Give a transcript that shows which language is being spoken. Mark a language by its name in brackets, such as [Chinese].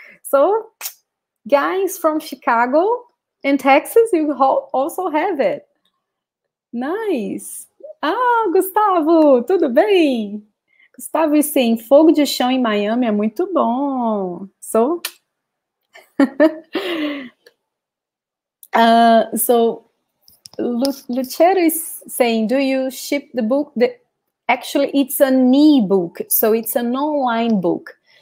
[English] So, guys from Chicago and Texas, you also have it. Nice. [Portuguese] Ah, Gustavo, tudo bem? [English] Gustavo is saying, [Portuguese] fogo de chão em Miami é muito bom. [English] So, so Lucero is saying, do you ship the book? Actually, it's an e-book, so it's an online book.